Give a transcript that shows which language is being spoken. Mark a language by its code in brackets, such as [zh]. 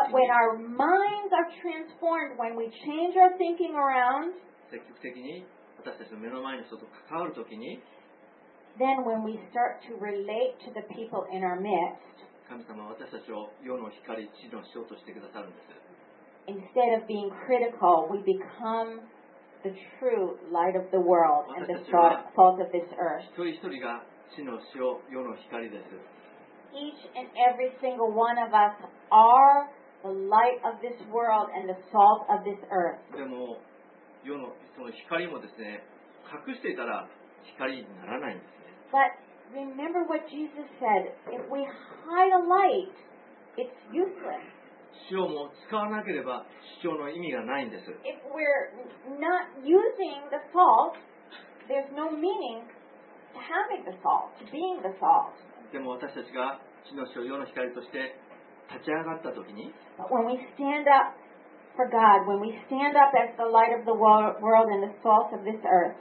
[en] But when our minds are transformed, when we change our thinking around. [ja] 積極的に私たちの目の前の人と関わるときに、 [en] Then when we start to relate to the people in our midst, [ja] 神様は私たちを世の光、地の塩としてくださるんです。 [en] Instead of being critical, we become the true light of the world and the salt of this earth. [ja] 一人一人が地の塩、世の光です。 [en] Each and every single one of us are the light of this world and the salt of this earth. [ja] でも、世のその光もですね、隠していたら光にならないんですね。 [en] But remember what Jesus said: if we hide a light, it's useless. [ja] 塩も使わなければ塩の意味がないんです。 [en] If we're not using the salt, there's no meaning to having the salt, to being the salt. [ja] でも私たちが地の塩、世の光として立ち上がったときに、 [en] But when we stand up for God, when we stand up as the light of the world and the salt of this earth,